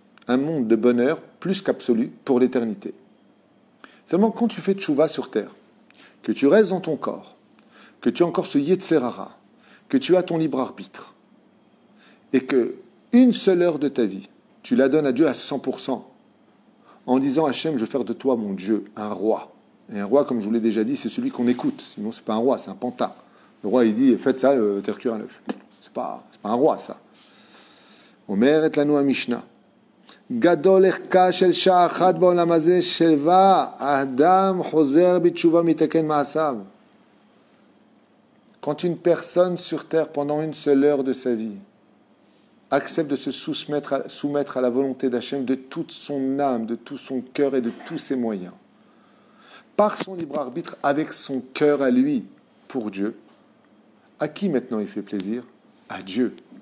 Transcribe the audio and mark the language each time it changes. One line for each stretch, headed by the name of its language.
French: Un monde de bonheur plus qu'absolu pour l'éternité. Seulement, quand tu fais tshuva sur terre, que tu restes dans ton corps, que tu as encore ce yetzerara, que tu as ton libre arbitre, et que une seule heure de ta vie, tu la donnes à Dieu à 100%, en disant « Hachem, je vais faire de toi, mon Dieu, un roi ». Et un roi, comme je vous l'ai déjà dit, c'est celui qu'on écoute. Sinon, ce n'est pas un roi, c'est un panta. Le roi, il dit « Faites ça, terre cuire un œuf ». Ce n'est pas un roi, ça. «
Hebrew: Omer et lanou Mishnah. גדול ערכה של שעה אחת בעולם הזה שלווה אדם חוזר בתשובה מתקן מעשיו.
French: Quand une personne sur terre pendant une seule heure de sa vie accepte de se soumettre à la volonté d'Hachem de toute son âme, de tout son cœur et de tous ses moyens, par son libre arbitre, avec son cœur à lui, pour Dieu, à qui maintenant il fait plaisir? À Dieu.